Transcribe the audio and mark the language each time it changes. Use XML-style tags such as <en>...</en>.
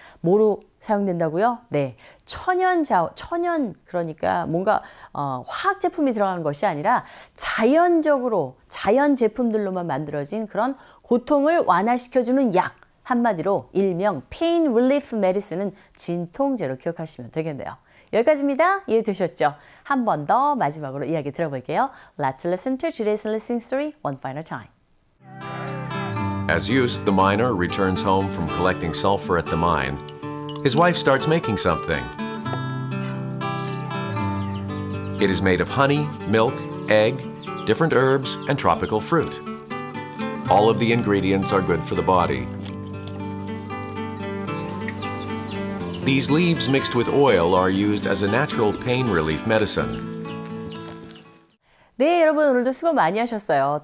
<ko>뭐로 사용된다고요? 네, 천연 그러니까 뭔가 화학 제품이 들어간 것이 아니라 자연적으로, 자연 제품들로만 만들어진 그런 고통을 완화시켜주는 약, 한마디로 일명 pain relief medicine은 진통제로 기억하시면 되겠네요. 여기까지입니다. 이해되셨죠? 한 번 더 마지막으로 이야기 들어볼게요.</ko> <en>Let's listen to today's listening story one final time. As Yus, the miner, returns home from collecting sulfur at the mine, his wife starts making something. It is made of honey, milk, egg, different herbs, and tropical fruit. All of the ingredients are good for the body. These leaves mixed with oil are used as a natural pain relief medicine.</en> <ko>네, 여러분 오늘도 수고 많이 하셨어요.</ko>